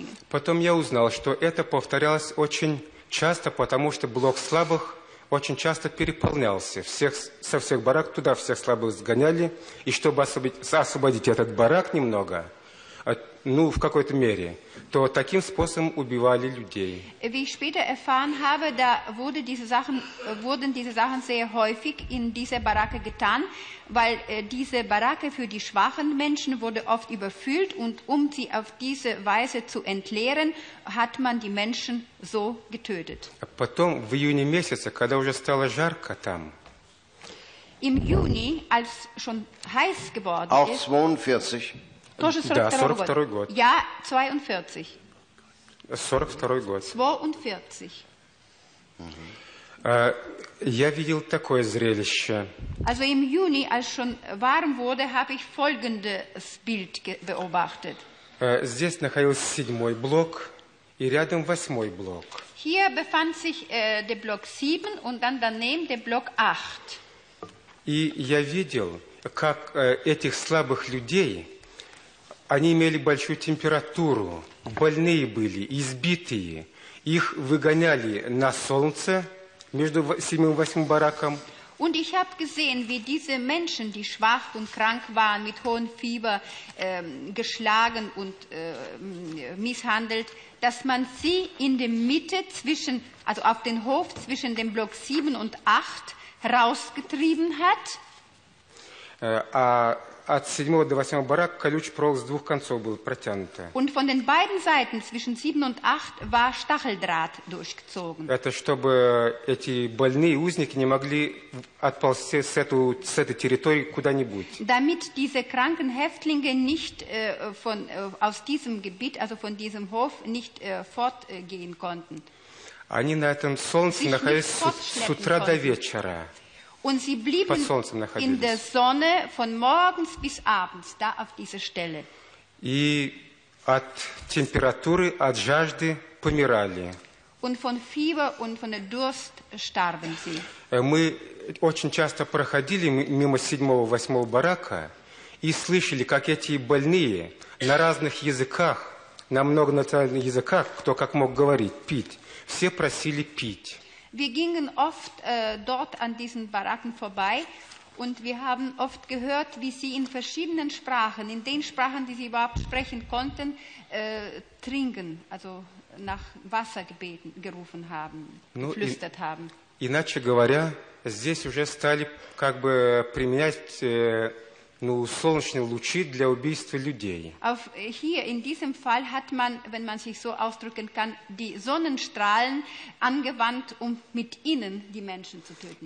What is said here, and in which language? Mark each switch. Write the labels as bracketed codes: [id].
[ru] Потом я узнал, что это повторялось очень часто, потому что блок слабых очень часто переполнялся. Всех, со всех барак туда всех слабых сгоняли, и чтобы освободить этот барак немного, ну, в какой-то мере, то таким способом убивали людей. [de] Wie ich später erfahren habe, da wurde diese Sachen, wurden diese Sachen sehr häufig in dieser Baracke getan, weil diese Baracke für die schwachen Menschen wurde oft überfüllt und um sie auf diese Weise zu entleeren, hat man die Menschen so getötet. [ru] Потом, в июне месяце, когда уже стало жарко там, [de] im Juni, als schon heiß geworden auch ist, 42. [ru] Тоже 42-й год. Я 42. 42-й год. [de] 42. [ru] Я видел такое зрелище. [de] Also im Juni, als schon warm wurde, habe ich folgendes Bild beobachtet. [ru] Здесь находился 7-й блок и рядом 8-й блок. [de] Hier befand sich der Block 7 und dann daneben der Block 8. [ru] И я видел, как этих слабых людей, они имели большую температуру, больные были, избитые. Их выгоняли на солнце между 7 и 8 бараком. [de] Und ich habe gesehen, wie diese Menschen, die schwach und krank waren, mit hohem Fieber geschlagen und misshandelt, dass man sie in der Mitte zwischen, also auf den Hof zwischen dem Block 7 und 8 rausgetrieben hat. [ru] От 7 до 8 барак колючий проволок с двух концов был протянут. [de] Und von den beiden Seiten zwischen 7 und 8 war Stacheldraht durchgezogen. [ru] Это чтобы эти больные узники не могли отползти с этой территории куда-нибудь. [de] Damit diese kranken Häftlinge nicht von aus diesem Gebiet, also von diesem Hof nicht fortgehen konnten. [ru] Они на этом солнце находились с утра до вечера. [de] Und sie blieben in der Sonne von morgens bis abends da auf dieser Stelle. [ru] И от температуры, от жажды помирали. [de] Und von Fieber und von der Durst starben sie. [ru] Мы очень часто проходили мимо 7-го, 8-го барака и слышали, как эти больные на разных языках, на многонациональных языках, кто как мог говорить, пить, все просили пить. [de] Wir gingen oft dort an diesen Baracken vorbei und wir haben oft gehört, wie sie in verschiedenen Sprachen, in den Sprachen, die sie überhaupt sprechen konnten, trinken, also nach Wasser gebeten, gerufen haben, geflüstert haben. [ru] Иначе говоря, здесь уже стали как бы применять ну, солнечные лучи для убийства людей. [de] Auf hier in diesem Fall hat man, wenn man sich so ausdrücken kann, die Sonnenstrahlen angewandt, um mit ihnen die Menschen zu töten.